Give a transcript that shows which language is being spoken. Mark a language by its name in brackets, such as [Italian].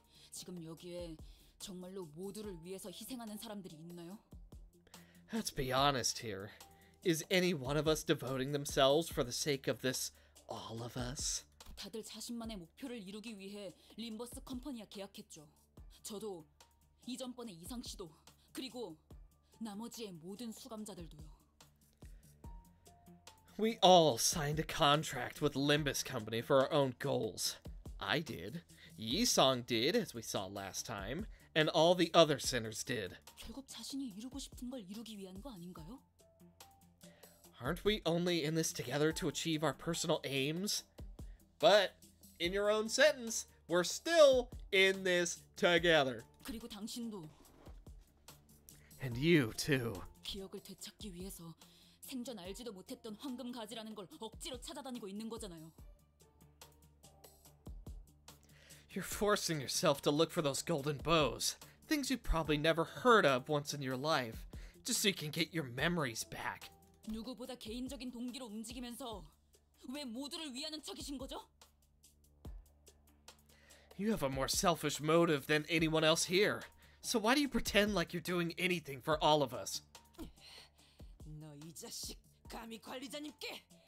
[Korean] 지금 여기에 정말로 모두를 위해서 희생하는 사람들이 있나요? [English] Let's be honest here. Is any one of us devoting themselves for the sake of this all of us? [Korean] 다들 자신만의 목표를 이루기 위해 림버스 컴퍼니와 계약했죠. 저도 이전번에 이상 씨도 그리고 나머지의 모든 수감자들도요. [English] We all signed a contract with Limbus Company for our own goals. I did. Yisong did, as we saw last time, and all the other sinners did. [Korean] 결국 자신이 이루고 싶은 걸 이루기 위한 거 아닌가요? [English] Aren't we only in this together to achieve our personal aims? But, in your own sentence, we're still in this together. [Korean] 그리고 당신도. [English] And you too. [Korean] 기억을 되찾기 위해서 생전 알지도 못했던 황금 가지라는 걸 억지로 찾아다니고 있는 거잖아요. [English] You're forcing yourself to look for those golden bows, things you probably never heard of once in your life, just so you can get your memories back. [Korean] 누구보다 개인적인 동기로 움직이면서 왜 모두를 위하는 척이신 거죠? [English] You have a more selfish motive than anyone else here. So why do you pretend like you're doing anything for all of us? [Korean] 너 이 자식, 감히 관리자님께!